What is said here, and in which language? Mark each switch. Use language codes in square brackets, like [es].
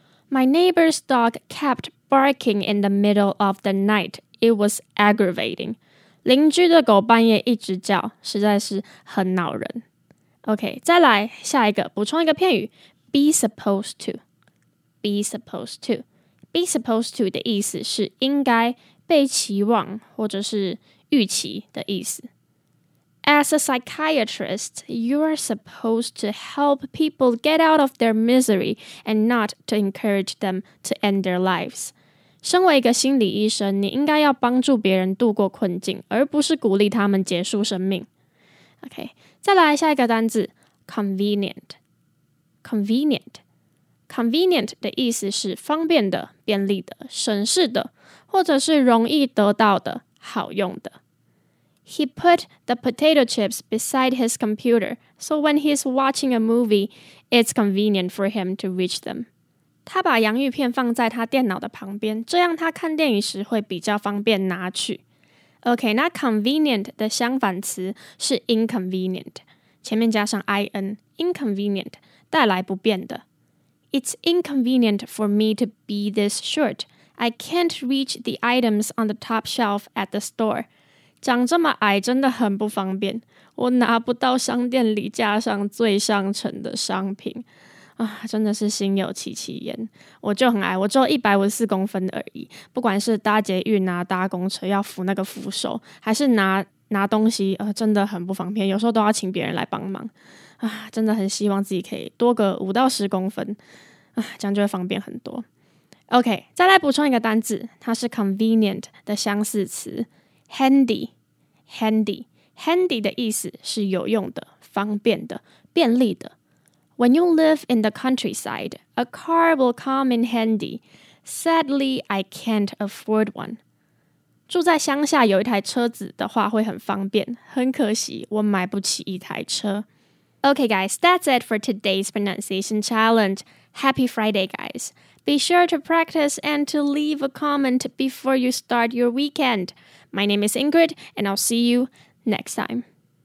[en] My neighbor's dog kept barking in the middle of the night. It was aggravating. [zh] 邻居的狗半夜一直叫，实在是很恼人。 OK， 再来下一个，补充一个片语 ， [en] be supposed to。 be supposed to。 [zh] be supposed to 的意思是应该被期望或者是预期的意思。 [en] As a psychiatrist, you are supposed to help people get out of their misery and not to encourage them to end their lives. [zh] 身为一个心理医生，你应该要帮助别人度过困境，而不是鼓励他们结束生命。 OK， 再来下一个单字 convenient。convenient convenient 的意思是方便的、便利的、省事的，或者是容易得到的、好用的。 [en] He put the potato chips beside his computer, so when he's watching a movie, it's convenient for him to reach them. [zh] 他把洋芋片放在他电脑的旁边，这样他看电影时会比较方便拿去。 OK， 那 convenient 的相反词是 inconvenient， 前面加上 in， inconvenient 带来不便的。 [en] It's inconvenient for me to be this short. I can't reach the items on the top shelf at the store. [zh] 长这么矮真的很不方便，我拿不到商店里架上最上乘的商品啊，真的是心有戚戚焉。我就很矮，我只有154公分而已，不管是搭捷运啊、搭公车要扶那个扶手，还是拿东西，真的很不方便，有时候都要请别人来帮忙啊，真的很希望自己可以多个5到10公分啊，这样就会方便很多。 OK， 再来补充一个单字，它是 convenient 的相似词handy。 handy handy 的意思是有用的、方便的、便利的。 [en] When you live in the countryside, a car will come in handy. Sadly, I can't afford one. [zh] 住在乡下有一台车子的话会很方便，很可惜我买不起一台车。 [en] OK guys, that's it for today's pronunciation challenge. Happy Friday guys. Be sure to practice and to leave a comment before you start your weekend. My name is Ingrid, and I'll see you next time.